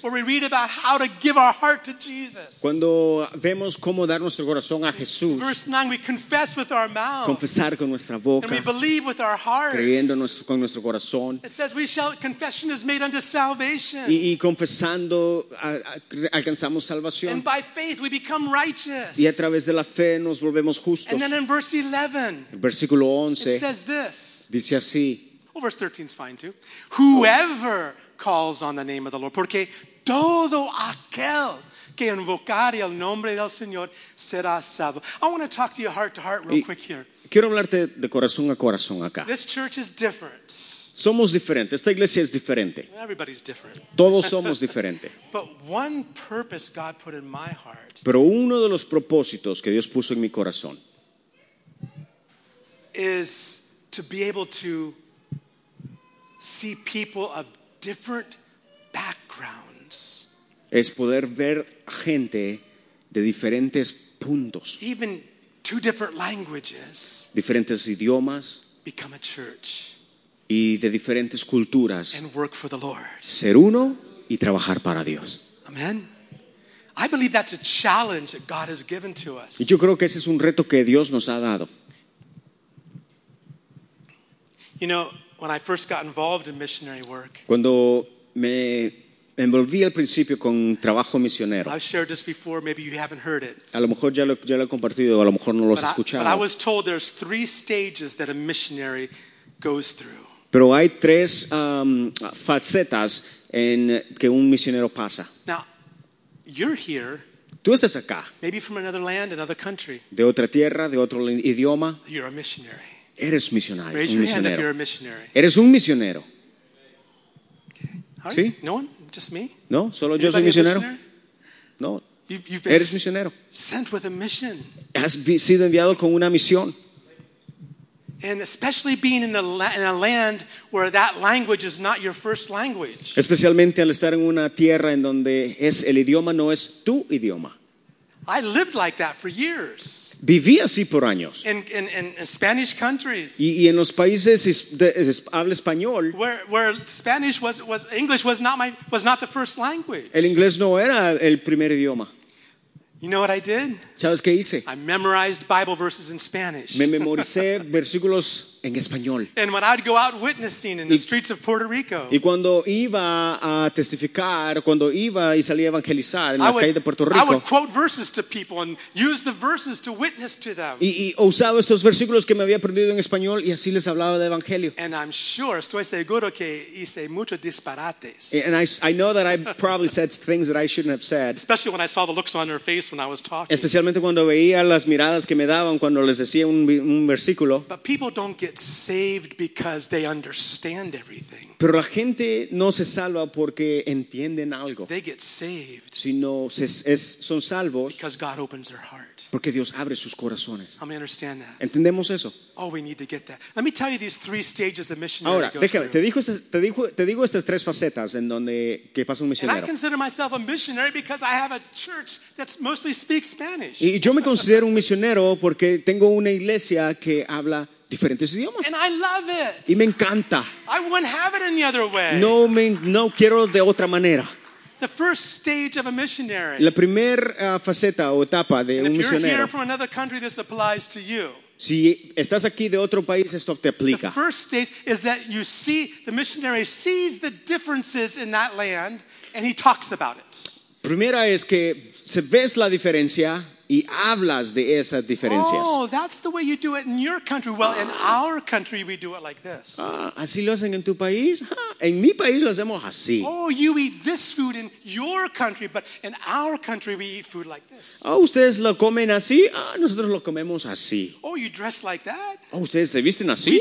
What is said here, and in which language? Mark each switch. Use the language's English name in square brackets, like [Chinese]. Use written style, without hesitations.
[English] Where we read about how to give our heart to Jesus. [Spanish] Cuando vemos cómo dar nuestro corazón a Jesús. [English] Verse 9, we confess with our mouth. [Spanish] Confesar con nuestra boca. [English] And we believe with our hearts. [Spanish] Creyendo con nuestro corazón. [English] It says confession is made unto salvation. [Spanish] Y confesando alcanzamos salvación. [English] And by faith we become righteous. [Spanish] Y a través de la fe nos volvemos justos. [English] And then in verse 11. [Spanish] El versículo 11. [English] It says this. [Spanish] Dice así. [English] Well, verse 13 is fine too. Whoever calls on the name of the Lord, [Spanish] porque todo aquel que invocare el nombre del Señor será salvo. [English] I want to talk to you heart to heart real quick here. [Spanish] Quiero hablarte de corazón a corazón acá. [English] This church is different. [Spanish] Somos diferentes. Esta iglesia es diferente. [English] Everybody's different. [Spanish] Todos somos diferentes. [English] But one purpose God put in my heart. [Spanish] Pero uno de los propósitos que Dios puso en mi corazón [English] is to be able to see people of different backgrounds. [Spanish] Es poder ver gente de diferentes puntos. [English] Even two different languages. [Spanish] Diferentes idiomas. [English] Become a church. [Spanish] Y de diferentes culturas. [English] And work for the Lord. [Spanish] Ser uno y trabajar para Dios. [English] Amen. I believe that's a challenge that God has given to us. [Spanish] Yo creo que ese es un reto que Dios nos ha dado. [English] You know, when I first got involved in missionary work, [Spanish] cuando me envolví al principio con trabajo misionero, [English] I've shared this before, maybe you haven't heard it. [Spanish] A lo mejor ya lo he compartido, a lo mejor no lo has escuchado. [English] But I was told there's three stages that a missionary goes through. [Spanish] Pero hay tres facetas en que un misionero pasa. [English] Now, you're here. [Spanish] Tú estás acá. [English] Maybe from another land, another country. [Spanish] De otra tierra, de otro idioma. [English] You're a missionary. [Spanish] Eres misionario. [English] Raise your hand if you're a missionary. [Spanish] Eres un misionero. [English] Okay. Sí. No one? Just me? [Spanish] No, solo [English] anybody [Spanish] yo soy misionero. No. [English] You've been [Spanish] eres misionero. [English] Sent with a mission. [Spanish] Has sido enviado con una misión. [English] And especially being in a land where that language is not your first language. [Spanish] Especialmente al estar en una tierra en donde es el idioma no es tu idioma. [English] I lived like that for years. [Spanish] Viví así por años. [English] In Spanish countries. [Spanish] Y en los países habla español. [English] Where Spanish was English was not the first language. [Spanish] El inglés no era el primer idioma. [English] You know what I did? [Spanish] ¿Sabes qué hice? [English] I memorized Bible verses in Spanish. [Spanish] Me memoricé versículos en español. [English] And when I'd go out witnessing in the streets of Puerto Rico. [Spanish] Y cuando iba a testificar, cuando iba y salía a evangelizar en la calle de Puerto Rico. [English] I would quote verses to people and use the verses to witness to them. [Spanish] Y usaba estos versículos que me había aprendido en español y así les hablaba de evangelio. [English] And I'm sure, [Spanish] estoy seguro que hice muchos disparates. [English] And I know that I probably said things that I shouldn't have said. Especially when I saw the looks on their face when I was talking. [Spanish] Especialmente cuando veía las miradas que me daban cuando les decía un versículo. [English] But people don't get saved because they understand everything. [Spanish] Pero la gente no se salva porque entienden algo. [English] They get saved. [Spanish] Sino son salvos. [English] Because God opens their heart. [Spanish] Porque Dios abre sus corazones. [English] I understand that. [Spanish] Entendemos eso. [English] Oh, we need to get that. Let me tell you these three stages of missionary. [Spanish] Ahora, déjame. Te digo estas tres facetas en donde que pasa un misionero. [English] And I consider myself a missionary because I have a church that mostly speaks Spanish. [Spanish] Y yo me considero un misionero porque tengo una iglesia que habla diferentes idiomas. [English] And I love it. [Spanish] Y me encanta. [English] I wouldn't have it any other way. [Spanish] No quiero de otra manera. [English] The first stage of a missionary. [Spanish] La primera faceta o etapa de [English] and [Spanish] un misionero. [English] If you're here from another country, this applies to you. [Spanish] Si estás aquí de otro país, esto te aplica. [English] The first stage is that you see the missionary sees the differences in that land and he talks about it. [Spanish] Primera es que se ves la diferencia y hablas de esas diferencias. [English] Oh, that's the way you do it in your country. Well, in our country, we do it like this. [Spanish] ¿Así lo hacen en tu país? En mi país lo hacemos así. [English] Oh, you eat this food in your country, but in our country, we eat food like this. [Spanish] Oh, ¿ustedes lo comen así? Nosotros lo comemos así. [English] Oh, you dress like that? [Spanish] Oh, ¿ustedes se visten así?